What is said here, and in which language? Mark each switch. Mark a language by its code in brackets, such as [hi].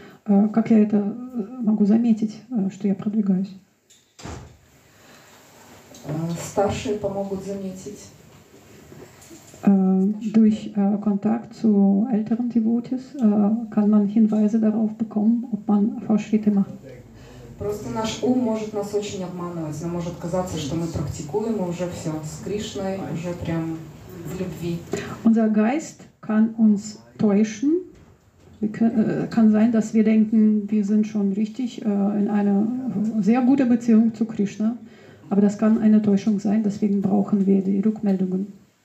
[ru] как я это могу заметить, что я продвигаюсь? Старшие помогут заметить. [de] Durch Kontakt zu älteren Devotees kann man Hinweise darauf bekommen, ob man Fortschritte macht. [ru] Просто наш ум может нас очень обманывать. Нам может казаться, что мы практикуем, мы уже все с Кришной, уже прям в любви. [de] Unser Geist kann uns täuschen. Kann sein, dass wir denken, wir sind schon richtig in einer sehr guten Beziehung zu Krishna. Aber das kann eine Täuschung sein, deswegen brauchen wir die Rückmeldungen.